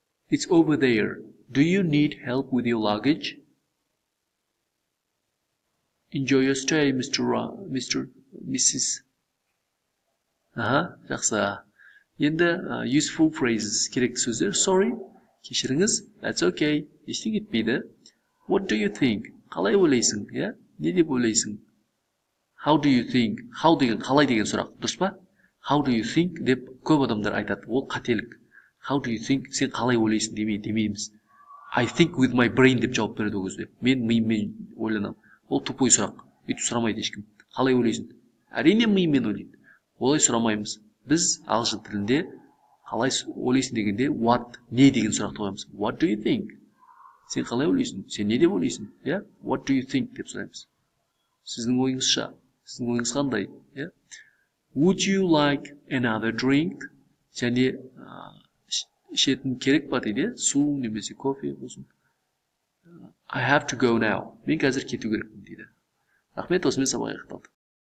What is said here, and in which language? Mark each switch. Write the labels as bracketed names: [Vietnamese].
[English] It's over there. Do you need help with your luggage? Enjoy your stay, Mr. Mrs. Жақсы. [Kazakh] Енді [English] useful phrases, [Kazakh] керекті сөздер. [English] Sorry, [Kazakh] кешіріңіз. [English] That's okay, [Kazakh] ештеңе кетпейді. [English] What do you think? [Kazakh] Қалай ойлайсың? [English] Yeah? [Kazakh] Не деп ойлайсың? [English] How do you think? [Kazakh] How деген қалай деген сұрақ, дұрыс па? [English] How do you think [Kazakh] деп көп адамдар айтады. Ол қателік. [English] How do you think? [Kazakh] Сен қалай ойлайсың демейміз. [English] I think with my brain [Kazakh] деп жауап береді ол кезде. Мен миыммен ойланамын. Ол тупой сұрақ. Үйтіп сұрамайды ешкім. Қалай ойлайсың? Әрине миыммен ойлайды. Олай сұрамаймыз. Біз ағылшын тілінде қалай ойлайсың дегенде what, не деген сұрақты қоямыз. [English] What do you think? [Kazakh] Сен қалай ойлайсың? Сен не деп ойлайсың? [English] Yeah? What do you think [Kazakh] деп сұраймыз. Сіздің ойыңызша, сіздің ойыңыз қандай? [English] Yeah? Would you like another drink? [Kazakh] Және ішетін керек па дейді, су немесе кофе болсын. [English] I have to go now. [Kazakh] Мен қазір кету керекпін дейді. Рахмет, осымен сабақ аяқталды.